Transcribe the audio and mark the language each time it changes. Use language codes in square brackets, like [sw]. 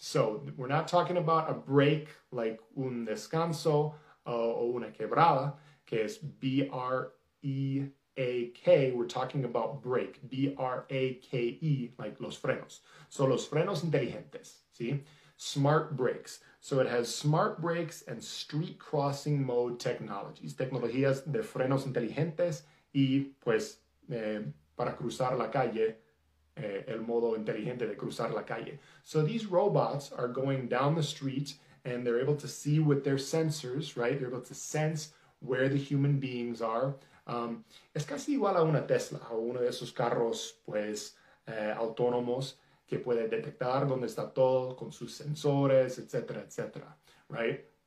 [en] So we're not talking about a break like [es] un descanso o una quebrada, que es B-R-E-A-K. [en] We're talking about break, B-R-A-K-E, like [es] los frenos. So los frenos inteligentes, ¿sí? [en] Smart brakes. So it has smart brakes and street crossing mode technologies. [es] Tecnologías de frenos inteligentes y, pues, para cruzar la calle, el modo inteligente de cruzar la calle. [en] So these robots are going down the street and they're able to see with their sensors, right? They're able to sense where the human beings are. [es] Es casi igual a una Tesla o uno de esos carros, pues, autónomos, que puede detectar dónde está todo con sus sensores, etcétera, etcétera, right?